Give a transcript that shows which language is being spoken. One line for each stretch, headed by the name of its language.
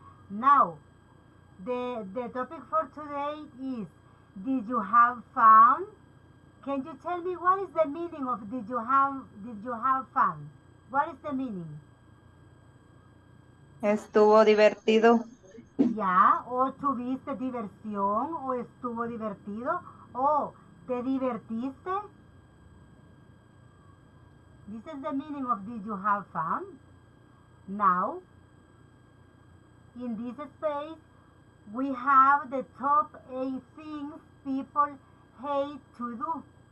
English: Now, the topic for today is, did you have fun? Can you tell me what is the meaning of did you have fun? What is the meaning?
Spanish: Estuvo divertido. Yeah, o tuviste diversión, o estuvo divertido, o te divertiste.
English: This is the meaning of did you have fun? Now, in this space, we have the top 8 things people hate to do.